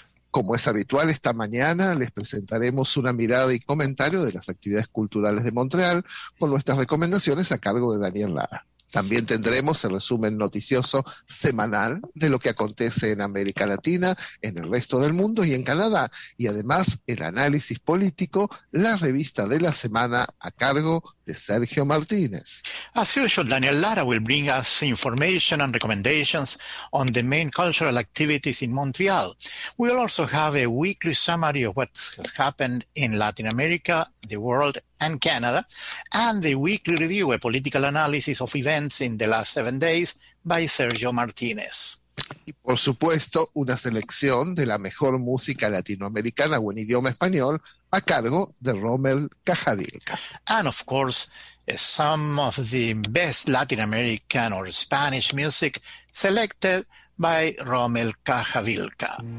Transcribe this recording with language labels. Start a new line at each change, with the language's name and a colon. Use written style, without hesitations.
Spanish: Como es habitual, esta mañana les presentaremos una mirada y comentario de las actividades culturales de Montreal con nuestras recomendaciones a cargo de Daniel Lara. También tendremos el resumen noticioso semanal de lo que acontece en América Latina, en el resto del mundo y en Canadá. Y además, el análisis político, la revista de la semana a cargo de Sergio Martínez.
English: As usual, Daniel Lara will bring us information and recommendations on the main cultural activities in Montreal. We'll also have a weekly summary of what has happened in Latin America, the world and Canada, and the weekly review, a political analysis of events in the last 7 days by Sergio Martínez.
Spanish: Y por supuesto, una selección de la mejor música latinoamericana o en idioma español a cargo de Rommel Cajadilca.
English: And of course, some of the best Latin American or Spanish music selected by Rommel Cajadilca.